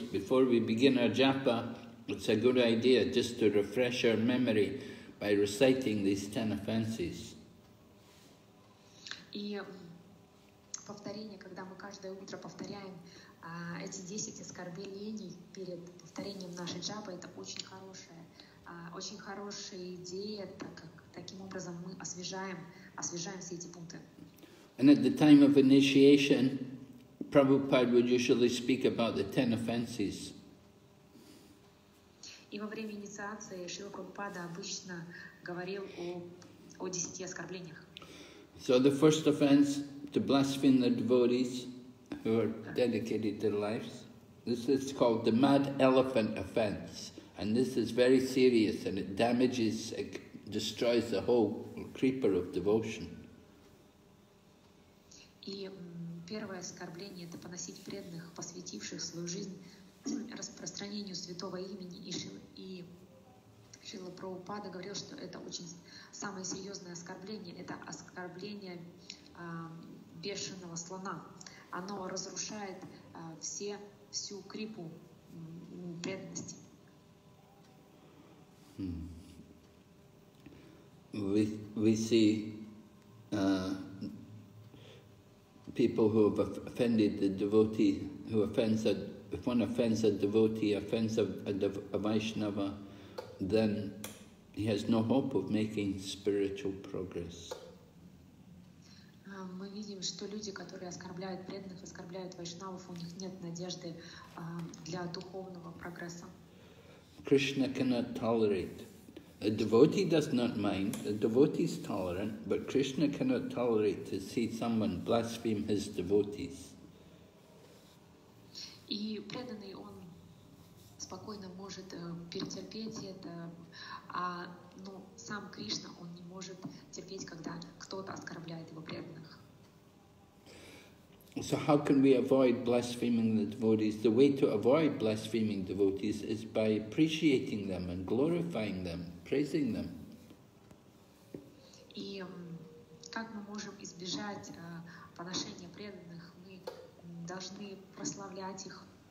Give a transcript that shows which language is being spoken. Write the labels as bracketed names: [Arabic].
[English] Before we begin our japa, it's a good idea just to refresh our memory by reciting these 10 offenses. [Russian] И повторение, когда мы каждое утро повторяем эти 10 оскорблений перед повторением нашей джапы, это очень хорошая идея, так как таким образом мы освежаем все эти пункты. [English] And at the time of initiation, Prabhupada would usually speak about the 10 offenses. [Russian] И во время инициации Шрила Прабхупада обычно говорил о о 10 оскорблениях. [English] So the first offense, to blaspheme the devotees who are dedicated their lives. This is called the mad elephant offense. And this is very serious and it damages, it destroys the whole creeper of devotion. [Russian] И первое оскорбление – это поносить преданных, посвятивших свою жизнь распространению святого имени. И Шрила Прабхупада говорил, что это очень самое серьезное оскорбление. Это оскорбление бешеного слона. Оно разрушает всю крипу преданности. [English] We see people who have offended the devotee, who offends a, if one offends a devotee, offends a Vaishnava, then he has no hope of making spiritual progress. [Russian] Мы видим, что люди, которые оскорбляют преданных, оскорбляют вайшнавов, у них нет надежды для духовного прогресса. [English] Krishna cannot tolerate. A devotee does not mind. A devotee is tolerant, but Krishna cannot tolerate to see someone blaspheme his devotees. [Russian] И преданный он спокойно может перетерпеть это, но сам Кришна он не может терпеть, когда кто-то оскорбляет его преданных. [English] So how can we avoid blaspheming the devotees? The way to avoid blaspheming devotees is by appreciating them and glorifying them, praising them. [Russian] И как мы можем избежать поношения преданных? Мы должны прославлять их.